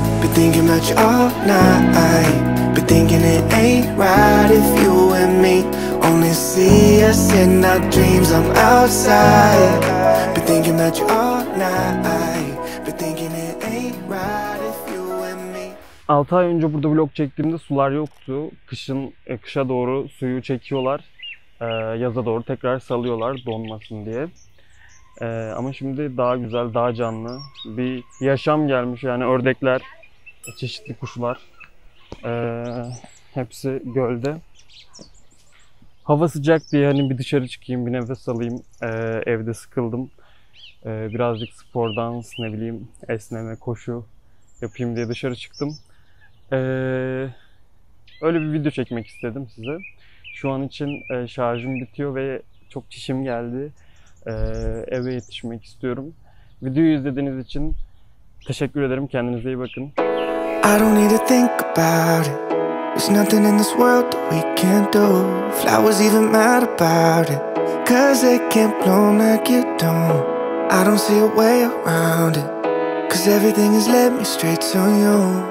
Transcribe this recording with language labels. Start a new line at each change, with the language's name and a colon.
English: Been thinking about you all night. Been thinking it ain't right if you and me only see us in our dreams. I'm outside. Been thinking about you all night. Been thinking it ain't right if you and me.
Turkish: 6 ay önce burada vlog çektiğimde sular yoktu. Kışın kışa doğru suyu çekiyorlar. Yaza doğru tekrar salıyorlar donmasın diye. Ama şimdi daha güzel, daha canlı bir yaşam gelmiş. Yani ördekler, çeşitli kuşlar. Hepsi gölde. Hava sıcak diye hani bir dışarı çıkayım, bir nefes alayım. Evde sıkıldım. Birazcık spor, dans, ne bileyim esneme, koşu yapayım diye dışarı çıktım. Öyle bir video çekmek istedim size. Şu an için şarjım bitiyor ve çok çişim geldi. Eve yetişmek istiyorum. Videoyu izlediğiniz için teşekkür ederim. Kendinize iyi bakın.
English: I don't need to think about it. There's nothing in this world that we can't do. Flowers even mad about it, 'cause they can't bloom like you do. I don't see a way around it, 'cause everything has led me straight to you.